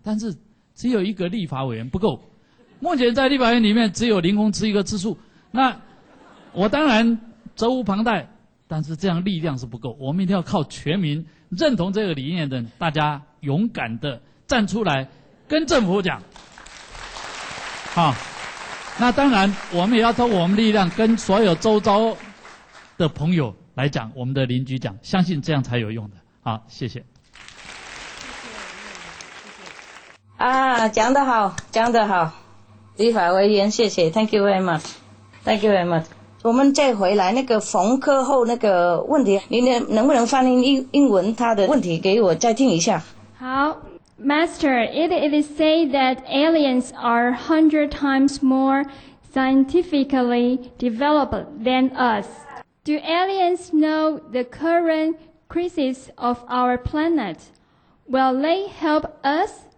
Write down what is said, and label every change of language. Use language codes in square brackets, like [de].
[zh] 但是只有一个立法委员不够，目前在立法院里面只有林鸿慈一个吃素，那我当然责无旁贷，但是这样力量是不够，我们一定要靠全民认同这个理念的大家勇敢的站出来跟政府讲。啊，那当然我们也要透过我们力量跟所有周遭的朋友来讲，我们的邻居讲，相信这样才有用的。好，谢谢。啊，讲得好，讲得好，立法委员，谢谢 ， [en] Thank you very much， Thank you very much。 [zh] 我们再回来那个冯科后那个问题，您能不能翻译英文他的问题给我再听一下？ [en] 好 ，Master， it is said that aliens are 100 times more scientifically developed than us. Do aliens know the current crisis of our planet? Will they help us?